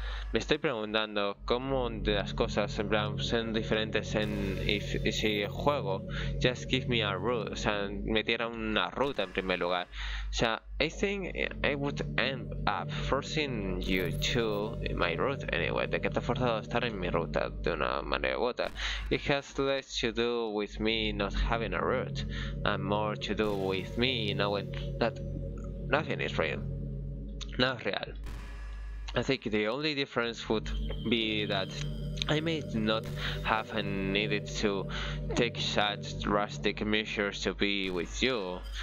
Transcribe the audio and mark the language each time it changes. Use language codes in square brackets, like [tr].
[es] Me estoy preguntando cómo de las cosas en plan son diferentes en si el juego [en] just give me a root, [es] o sea, me diera una ruta en primer lugar. O sea, [en] I think I would end up forcing you to my route anyway. [es] De que te ha forzado a estar en mi ruta de una manera u otra. [en] It has less to do with me not having a route and more to do with me knowing that nothing is real. [es] No es real. [en] I think the only difference would be that I may not have needed to take such drastic measures to be with you.